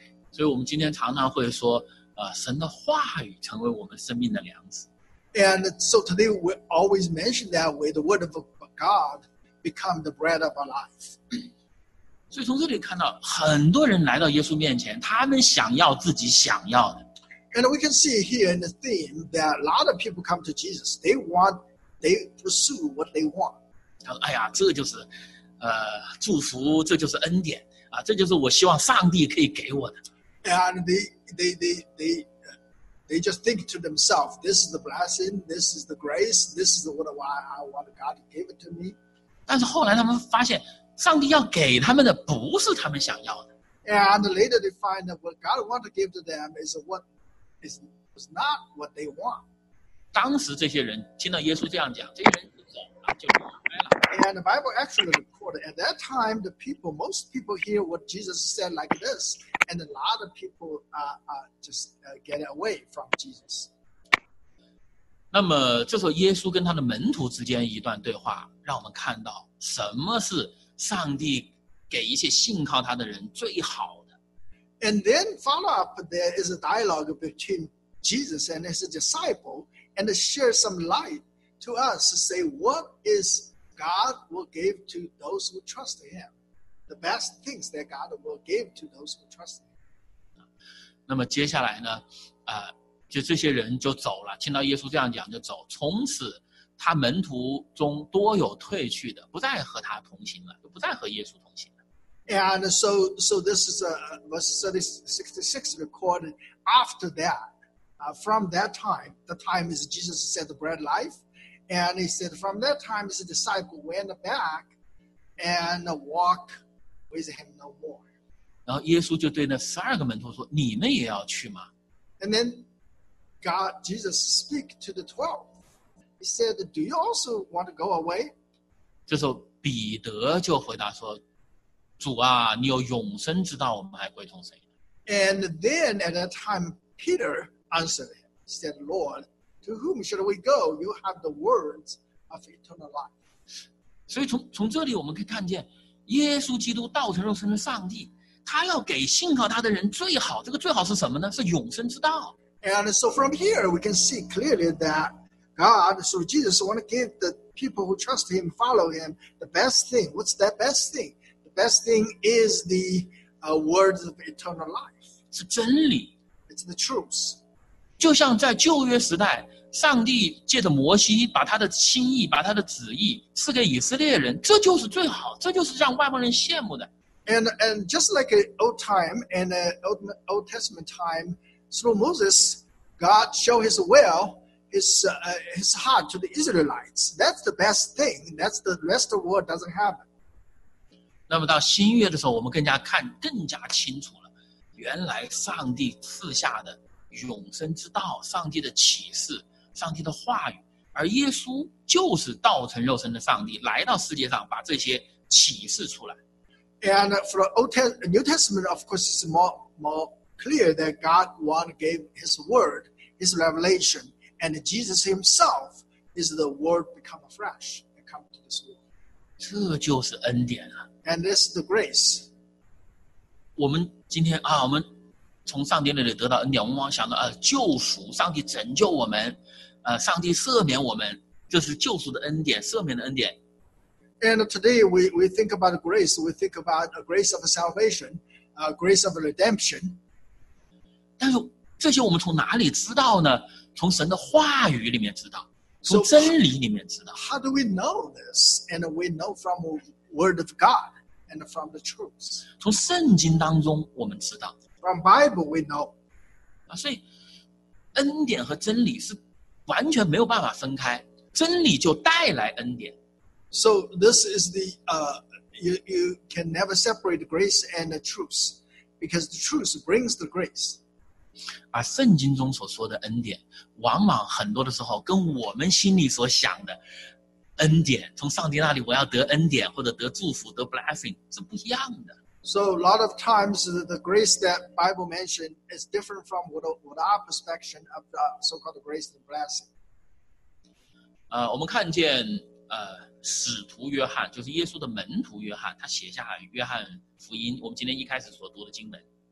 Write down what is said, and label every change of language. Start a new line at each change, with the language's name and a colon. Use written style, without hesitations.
Chinese: 所以我们今天常常会说神的话语成为我们生命的粮食。
English: And so today we always mention that way, the word of God become the bread of our life.
Chinese: 所以从这里看到很多人来到耶稣面前，他们想要自己想要的。
English: And we can see here in the theme that a lot of people come to Jesus. They pursue what they want.
Chinese: 他说哎呀，这就是祝福，这就是恩典啊，这就是我希望上帝可以给我的。
English: And they just think to themselves, this is the blessing, this is the grace, this is what I want God to give it to me.
Chinese: 但是后来他们发现上帝要给他们的不是他们想要的。
English: And later they find that what God wants to give to them is what is not what they want.
Chinese: 当时这些人听到耶稣这样讲，这些人就离开了。
English: And the Bible actually recorded at that time the people, most people hear what Jesus said like this. And a lot of people get away from Jesus.
Chinese: 那么这时候耶稣跟他的门徒之间一段对话，让我们看到什么是上帝给一切信靠他的人最好的。
English: And then follow up, there is a dialogue between Jesus and his disciple, and share some light to us to say what is God will give to those who trust him. The best things that God will give to those who trust him.
Chinese: 那么接下来呢，就这些人就走了，听到耶稣这样讲就走。从此，他门徒中多有退去的，不再和他同行了，就不再和耶稣同行了。
English: And so this is verse 66 recorded after that. From that time, the time is Jesus said the bread life, and he said from that time his disciple went back and walked. With him no more.
Chinese: 然后耶稣就对那十二个门徒说：“你们也要去吗
English: ？”And then God Jesus speak to the twelve. He said, "Do you also want to go away?"
Chinese: 这时候彼得就回答说：“主啊，你有永生之道，我们还归从谁
English: ？”And then at that time Peter answered him, said, "Lord, to whom should we go? You have the words of eternal life."
Chinese: 所以从这里我们可以看见。耶稣基督道成肉身的上帝，他要给信靠他的人最好，这个最好是什么呢？是永生之道。
English: And so from here we can see clearly that God, so Jesus want to give the people who trust him, follow him, the best thing. What's that best thing? The best thing is the words of eternal life.
Chinese: 是真理。
English: It's the truth.
Chinese: 就像在旧约时代，上帝借着摩西把他的心意，把他的旨意赐给以色列人，这就是最好，这就是让外邦人羡慕的。
English: And just like old time and old testament time, through Moses, God show his will, his heart to the Israelites. That's the best thing. That's the rest of the world doesn't have.
Chinese: 那么到新约的时候，我们更加清楚了，原来上帝赐下的永生之道，上帝的启示。上帝的话语，而耶稣就是道成肉身的上帝，来到世界上把这些启示出来。
English: And for New Testament, of course, it's more clear that God want to give His Word, His revelation, and Jesus Himself is the Word become flesh and come to this world.
Chinese: 这就是恩典啊
English: ！And this is the grace.
Chinese: 我们今天啊，我们。从上帝那里得到恩典，我们往想到救赎，上帝拯救我们，上帝赦免我们，这是救赎的恩典，赦免的恩典。
English: And today we think about grace, we think about a grace of salvation, a grace of redemption.
Chinese: 但是这些我们从哪里知道呢？从神的话语里面知道，从真理里面知道。
English: So, how do we know this? And we know from the Word of God and from the truth.
Chinese: 从圣经当中我们知道。
English: From Bible we know.
Chinese: 所以恩典和真理是完全没有办法分开，真理就带来恩典。
English: So this is the, you can never separate grace and the truth, because the truth brings the grace.
Chinese: 而圣经中所说的恩典，往往很多的时候跟我们心里所想的恩典，从上帝那里我要得恩典或者得祝福，得 blessing 是不一样的。
English: So a lot of times the grace that Bible mentioned is different from what our perspective of the so-called grace and blessing.
Chinese: 我们看见使徒约翰，就是耶稣的门徒约翰，他写下约翰福音，我们今天一开始所读的经文。